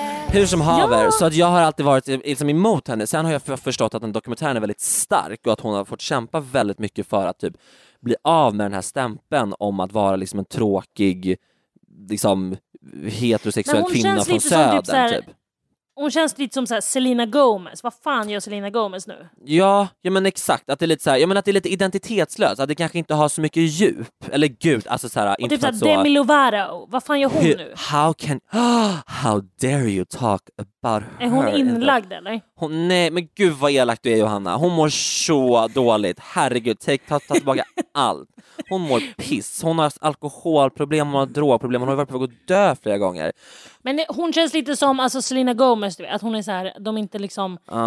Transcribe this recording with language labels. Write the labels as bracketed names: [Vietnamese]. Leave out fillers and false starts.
[Swedish] Hur som haver, ja. Så att jag har alltid varit liksom emot henne. Sen har jag förstått att den dokumentären är väldigt stark och att hon har fått kämpa väldigt mycket för att typ bli av med den här stämpeln om att vara liksom en tråkig liksom heterosexuell kvinna från södern. Typ såhär, typ. Hon känns lite som såhär Selena Gomez. Vad fan gör Selena Gomez nu? Ja men exakt. Att det är lite såhär, att det är lite identitetslöst. Att det kanske inte har så mycket djup. Eller gud, alltså såhär. Och typ såhär Demi Lovato. Vad fan gör hon nu? [English] How dare you talk about her? [Swedish] Är hon inlagd eller? Nej, men gud vad elakt du är Johanna. Hon mår så dåligt. Herregud, ta tillbaka allt. Hon mår piss. Hon har alkoholproblem, hon har drogproblem. Hon har varit på väg att dö flera gånger. Men hon känns lite som alltså Selena Gomez, du vet. Att hon är så här, de inte liksom...